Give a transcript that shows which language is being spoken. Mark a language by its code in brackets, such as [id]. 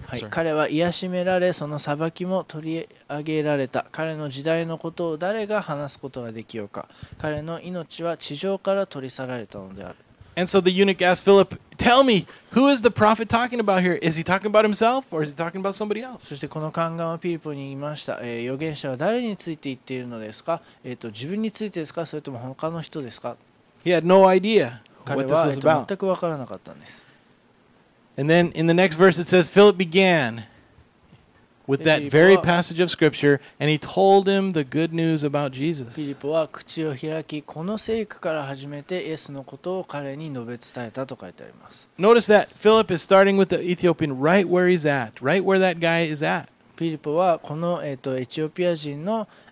[ja] 彼は癒しめられ、その裁きも取り上げられた。彼の時代のことを誰が話すことができようか。彼の命は地上から取り去られたのである。 [en] And so the eunuch asked Philip, "Tell me, who is the prophet talking about here? Is he talking about himself, or is he talking about somebody else?" [ja] そしてこの宦官はピリポに言いました。預言者は誰について言っているのですか。自分についてですか、それとも他の人ですか。 [en] He had no idea what this was about. [ja] 彼は全く分からなかったんです。 [en] And then in the next verse it says Philip began with that very passage of scripture and he told him the good news about Jesus. [ja] ピリポは口を開き、この聖句から始めてイエスのことを彼に述べ伝えたと書いてあります。 [en] Notice that Philip is starting with the Ethiopian right where he's at, right where that guy is at. [ja] ピリポはこの、エチオピア人の、